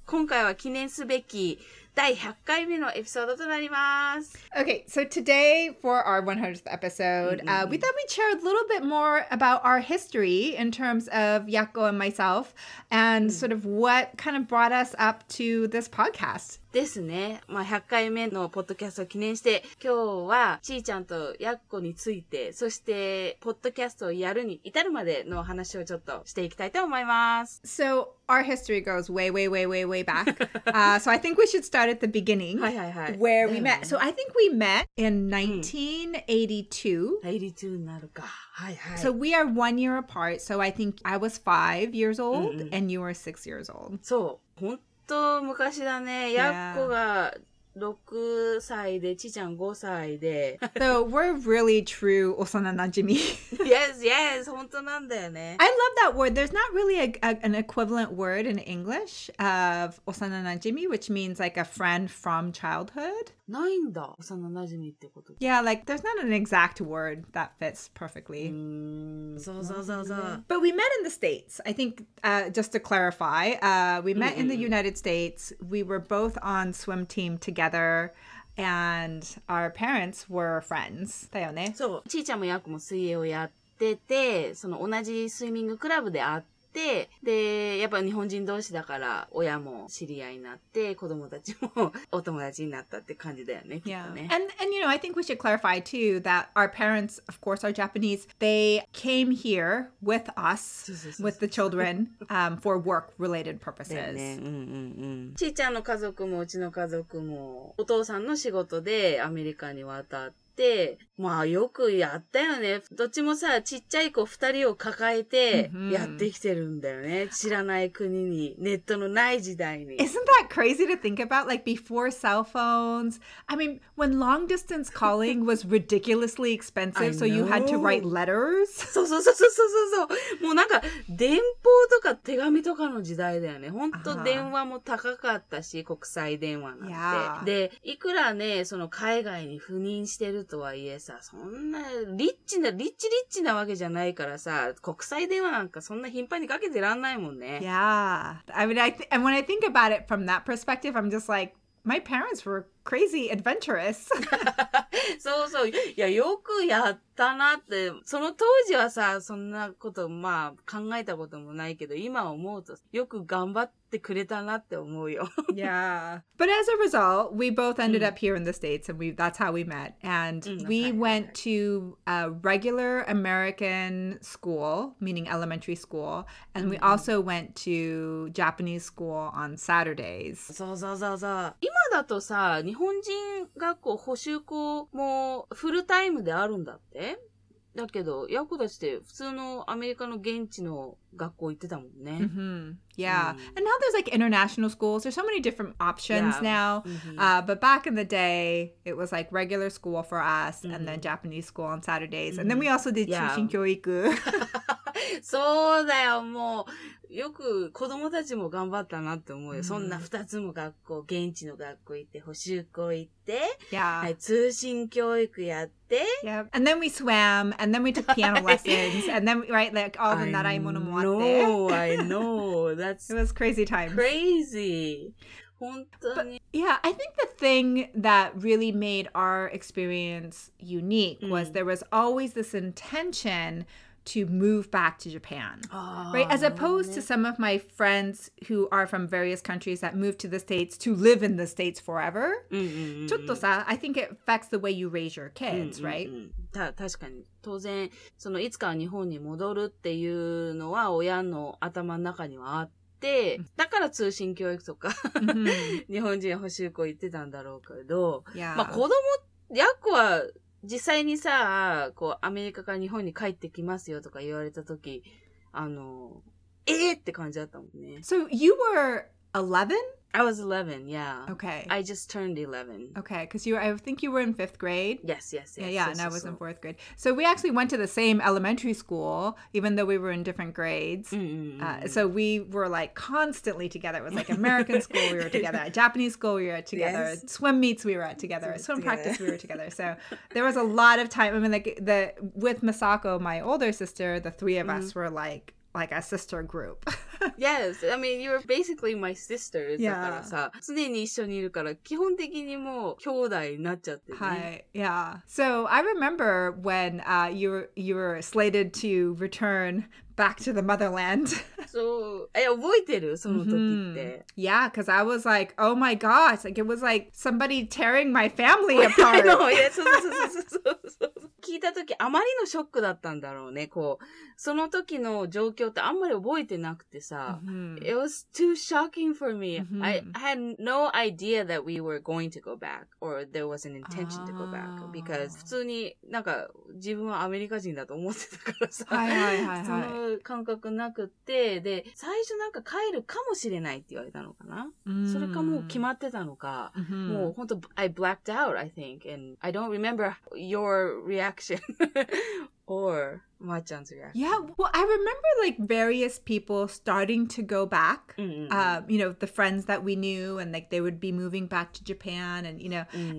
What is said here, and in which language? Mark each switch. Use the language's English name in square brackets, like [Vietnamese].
[Japanese] 今回は記念すべき第100回目のエピソードとなります。 [English] Okay, so today for our 100th episode、mm-hmm. We thought we'd share a little bit more about our history in terms of Yakko and myself and、mm-hmm. sort of what kind of brought us up to this podcast [Japanese] ですね、まあ、100回目のポッドキャストを記念して今日はちーちゃんとYakkoについてそしてポッドキャストをやるに至るまでの話をちょっとしていきたいと思います。 [English] So our history goes way way way way way back. 、So I think we should start at the beginning. [Japanese] はいはいはい。 [English] Where we met. So I think we met in 1982. [Japanese] 82になるか。はいはい。 [English] So we are 1 year apart. So I think I was 5 years old、うん、and you were 6 years old. [Japanese] そう、本当昔だね。やっこが6歳で、ちーちゃん5歳で。 [English] So we're really true 幼なじみ。 Yes, yes, [Japanese] 本当なんだよね。 [English] I love that word. There's not really an equivalent word in English of 幼なじみ, which means like a friend from childhood. [Japanese] ないんだ、幼なじみってこと。 [English] Yeah, like there's not an exact word that fits perfectly. [Japanese] そうそうそうそう。 [English] But we met in the States, I think, just to clarify. We met mm-hmm. in the United States. We were both on swim team together. Together, and our parents were friends. [Japanese] だよね。そう。ちーちゃんもヤクも水泳をやってて、その同じスイミングクラブで会って、で、やっぱ日本人同士だから親も知り合いになって、子供たちもお友達になったって感じだよね。きっとね。 [English] Yeah. And you know, I think we should clarify too that our parents, of course, are Japanese. They came here with us, with the children, for work-related purposes. [Japanese] ね、うんうんうん。ちーちゃんの家族もうちの家族もお父さんの仕事でアメリカに渡って、でまあよくやったよね。どっちもさ、ちっちゃい子二人を抱えてやってきてるんだよね。知らない国に、ネットのない時代に。 [English] Isn't that crazy to think about? Like before cell phones. I mean, when long distance calling was ridiculously expensive, so you had to write letters. [Japanese] そうそうそうそうそうそうそう。もうなんか電報とか手紙とかの時代だよね。本当電話も高かったし、国際電話なんて。で、いくらね、その海外に赴任してとはいえさ、そんなリッチなわけじゃないからさ、国際電話なんかそんな頻繁にかけてらんないもんね。 [English] Yeah. I mean, and when I think about it from that perspective, I'm just like, my parents were crazy adventurous. [Japanese] そうそう、いや、よくやったなって。その当時はさ、そんなこと、まあ、考えたこともないけど、今思うとよく頑張ってくれたなって思うよ。 [English] Yeah. But as a result, we both ended up here in the States, and that's how we met. And we went to a regular American school, meaning elementary school, and we also went to Japanese school on Saturdays. [Japanese] そうそうそうそう。今だとさ、日本人学校補習校もフルタイムであるんだって。だけど、ヤコたちって普通のアメリカの現地の学校行ってたもんね。 Mm-hmm. [English] Yeah.、Mm. And now there's like international schools. There's so many different options、yeah. now.、Mm-hmm. But back in the day, it was like regular school for us、mm-hmm. and then Japanese school on Saturdays.、Mm-hmm. And then we also did、yeah. [Japanese] 中心教育。そうだよ、もう。よく子供たちも頑張ったなって思うよ。そんな二つも学校、現地の学校行って、補習校行って、 [English] yeah. [Japanese] はい、通信教育やって。 [English] Yep. And then we swam, and then we took piano lessons, and then, right, like, all the [Japanese] 習い物もあって。 [English] I know. That's It was crazy times. Crazy. But, yeah, I think the thing that really made our experience unique、mm. was there was always this intention to move back to Japan. Right? As opposed to some of my friends who are from various countries that moved to the States to live in the States forever. [Japanese] ちょっとさ、 [English] I think it affects the way you raise your kids, right? [Japanese] 確かに。当然、そのいつかは日本に戻るっていうのは親の頭の中にはあって、でだから通信教育とか、mm-hmm. 日本人補習校行ってたんだろうけど、 [English] yeah. [Japanese] まあ子供ヤクは実際にさこうアメリカから日本に帰ってきますよとか言われた時あのえー、って感じだったもんね。 [English] So you were 11? I was 11, yeah. Okay. I just turned 11. Okay, because you, I think you were in fifth grade. Yes, yes, yes. Yeah, yeah, so, and so, I was so. In fourth grade. So we actually went to the same elementary school, even though we were in different grades. So we were like constantly together. It was like American school, we were together. Japanese school, we were together. Yes. Swim meets, we were together. Swim practice, we were together. So there was a lot of time. I mean, like the with Masako, my older sister, the three of us were like a sister group. Yes, I mean, you're basically my sister. Yeah. [Japanese] だからさ、常に一緒にいるから、基本的にもう兄弟になっちゃってね。はい、 [English] yeah. So, I remember when you were slated to return back to the motherland. [Japanese] そう、え、覚えてる?その時って。Mm-hmm. [English] Yeah, because I was like, oh my gosh, like it was like somebody tearing my family apart. I know, yeah, [Japanese] そうそうそうそうそう。聞いた時あまりのショックだったんだろうね。こうその時の状況ってあんまり覚えてなくてさ、 mm-hmm. [English] It was too shocking for me. Mm-hmm. I had no idea that we were going to go back or there was an intention to go back because [Japanese] 普通になんか自分はアメリカ人だと思ってたからさ、はいはいはいはい、その感覚なくてで最初なんか帰るかもしれないって言われたのかな。 Mm-hmm. それかもう決まってたのか、 mm-hmm. もう本当 [English] I blacked out I think and I don't remember your reaction. Or Ma-chan's reaction. Yeah, well, I remember like various people starting to go back. Mm-hmm. You know, the friends that we knew and like they would be moving back to Japan and, you know, mm-hmm.